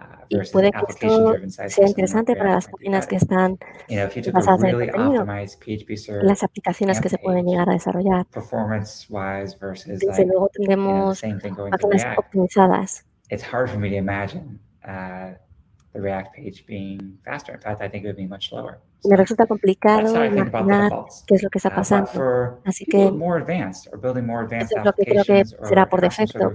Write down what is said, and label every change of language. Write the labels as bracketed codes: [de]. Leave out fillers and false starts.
[es] Y puede que esto sea interesante para las páginas que están basadas en el contenido, las aplicaciones que se pueden llegar a desarrollar. Desde luego tenemos páginas optimizadas. [en] Es hard for me to imagine the React page being faster. In fact, I think it would be much slower. [es] me resulta complicado imaginar qué es lo que está pasando. Así que eso es lo que creo que será por defecto.